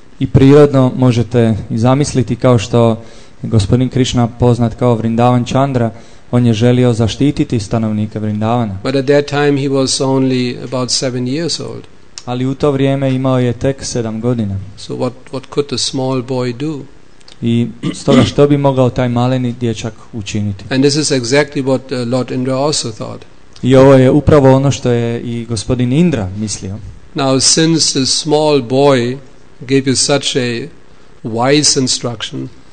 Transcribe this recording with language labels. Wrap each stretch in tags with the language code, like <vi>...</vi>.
<hr>I prirodno možete zamisliti kao što gospodin Krishna poznat kao Vrindavan Chandra, on je želio zaštititi stanovnike Vrindavana.</hr> <en>But at that time he was only about 7 years old.</en> <hr>Ali u to vrijeme imao je tek 7 godina.</hr> <en>So what could the small boy do?</en> <hr>I stoga što bi mogao taj maleni dječak učiniti.</hr> <en>And this is exactly what Lord Indra also thought.</en> <hr>I ovo je upravo ono što je i gospodin Indra mislio.</hr> <en>Now since this small boy gave you such a wise instruction.</en>